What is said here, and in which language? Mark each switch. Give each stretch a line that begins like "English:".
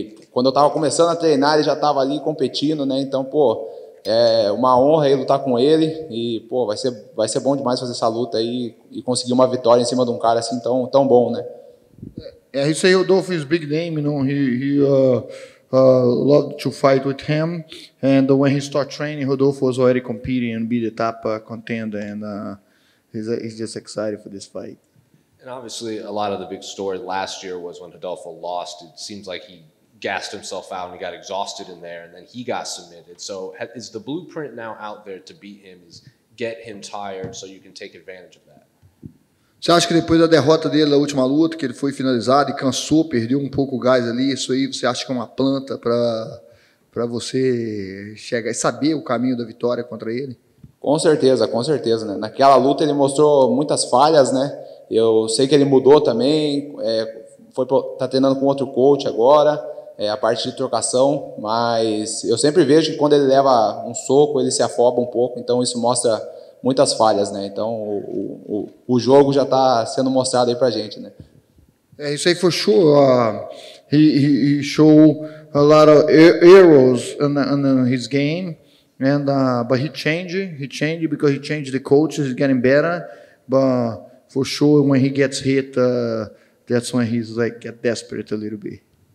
Portuguese: Quando eu tava começando a treinar, ele já tava ali competindo, né? Então, pô, é uma honra aí lutar com ele. E, pô, vai ser bom demais fazer essa luta aí e conseguir uma vitória em cima de um cara assim tão, tão bom, né? Isso aí, Rodolfo é um big name, não?
English: Love to fight with him, and when he start training, Rodolfo was already competing and be the top contender, and he's just excited for this fight. And obviously, a lot of the big story last year was when Rodolfo lost. It seems like he gassed himself out and he got exhausted in there, and then he got submitted. So is the blueprint now out there to beat him, is get him tired so you can take advantage of that?
Portuguese: Você acha que depois da derrota dele na última luta, que ele foi finalizado e cansou, perdeu um pouco o gás ali, isso aí você acha que é uma planta para você chegar e saber o caminho da vitória contra ele? Com certeza, né? Naquela luta ele mostrou muitas falhas, né? Eu sei que ele mudou também, tá treinando com outro coach agora, a parte de trocação, mas eu sempre vejo que quando ele leva um soco, ele se afoba um pouco, então isso mostra muitas falhas, né? Então o jogo já está sendo mostrado aí para gente, né? Isso aí foi show.
English: He showed a lot of errors in his game, and but he changed because he changed the coaches. He's getting better, but for sure when he gets hit, that's when he's like get desperate a little bit.